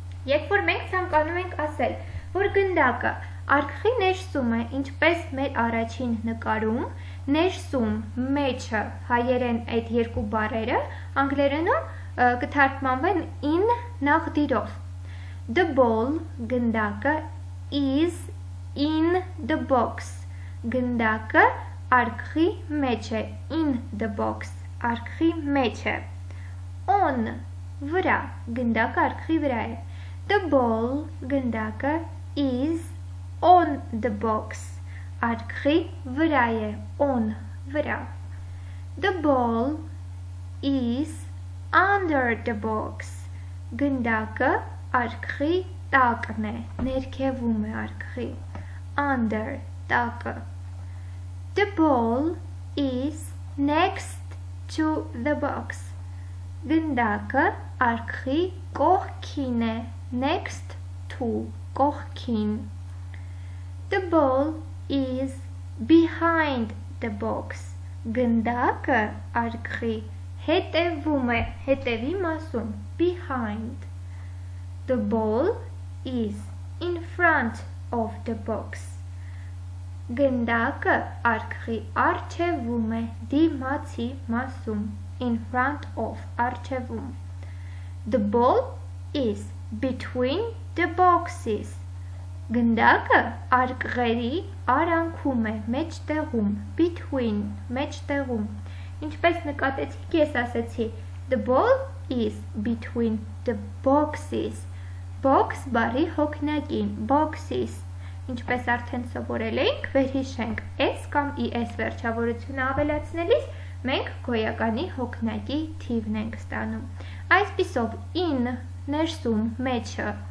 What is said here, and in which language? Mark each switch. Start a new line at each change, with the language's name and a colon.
Armenian: Երբ որ մենք ցանկանում ենք ասել, որ գնդակը արկղի ներսում է, ինչպես մեր առաջին նկարում, ներսում, մեջը, հայերեն այդ երկու բառերը անգլերենում կթարգմանվեն in նախդիրով։
English: The ball,
Armenian: գնդակը,
English: is in the box.
Armenian: Գնդակը արկղի մեջ է,
English: in the box,
Armenian: արկղի մեջ է. On, վրա, գնդակը արկղի վրա է.
English: The ball,
Armenian: գնդակը,
English: is on the box,
Armenian: արկղի վրա է,
English: on,
Armenian: վրա.
English: The ball is under the box,
Armenian: գնդակը արկղի տակն է, ներքևում է արկղի,
English: under,
Armenian: տակը.
English: The ball is next to the box.
Armenian: Գնդակը արկղի կողքին է,
English: next to,
Armenian: կողքին.
English: The ball is behind the box.
Armenian: Գնդակը արկղի հետևում է, հետևի մասում,
English: behind. The ball is in front of the box.
Armenian: Գնդակը արկղի առջևում է, դիմացի մասում,
English: in front of,
Armenian: առջևում.
English: The ball is between the boxes.
Armenian: Գնդակը արկղերի արանքում է, մեջտեղում,
English: between,
Armenian: մեջտեղում. Ինչպես նկատեցիք, ես ասեցի,
English: the ball is between the boxes.
Armenian: Box բառի հոգնակին, boxes, ինչպես արդեն սովորել էինք, վերհիշենք, s կամ es վերջավորությունը ավելացնելիս, մենք գոյականի հոգնակի թիվն ենք ստանում։ Այսպիսով, in, ներսում, մեջը,